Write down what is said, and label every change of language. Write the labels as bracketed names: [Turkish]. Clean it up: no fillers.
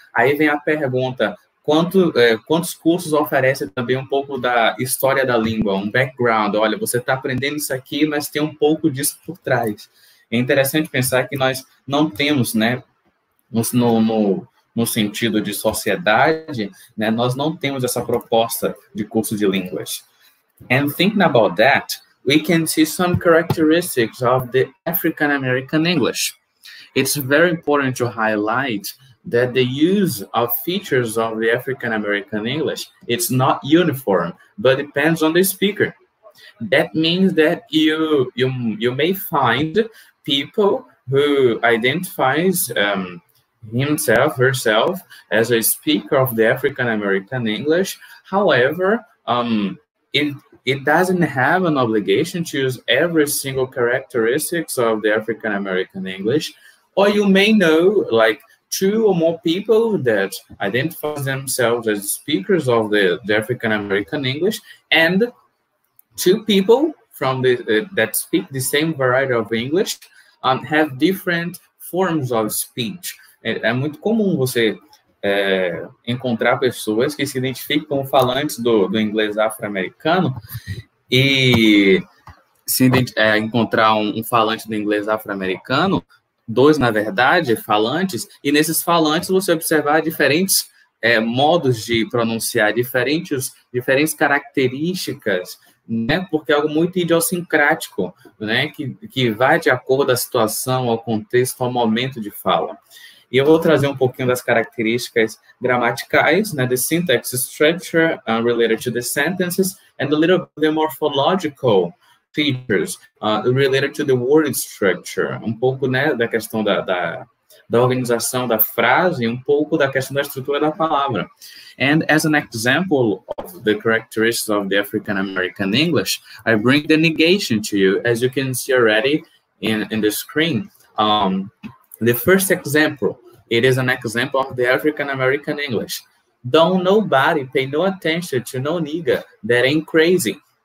[Portuguese] Aí vem a pergunta, quantos cursos oferecem também um pouco da história da língua, um background? Olha, você está aprendendo isso aqui, mas tem um pouco disso por trás. É interessante pensar que nós não temos, né, no sentido de sociedade, né, nós não temos essa proposta de curso de línguas. [English] And thinking about that, we can see some characteristics of the African-American English. It's very important to highlight that the use of features of the African-American English, it's not uniform, but depends on the speaker. That means that you may find people who identifies himself, herself, as a speaker of the African-American English. However, it doesn't have an obligation to use every single characteristics of the African-American English. Or you may know, like, two or more people that identify themselves as speakers of the African-American English, and two people from that speak the same variety of English have different forms of speech. [Portuguese] É muito comum você encontrar pessoas que se identificam como falantes do inglês afro-americano e encontrar um falante do inglês afro-americano, dois, na verdade, falantes, e nesses falantes você observar diferentes modos de pronunciar, diferentes características, né? Porque é algo muito idiossincrático, né? Que vai de acordo à situação, ao contexto, ao momento de fala. E eu vou trazer um pouquinho das características gramaticais, né? [English] The syntax structure related to the sentences, and a little bit of the morphological features related to the word structure. [Portuguese] Um pouco, né, da questão da organização da frase, um pouco da questão da estrutura da palavra. [English] And as an example of the characteristics of the African-American English, I bring the negation to you, as you can see already in the screen. The first example, it is an example of the African-American English. Don't nobody pay no attention to no nigga, that ain't crazy.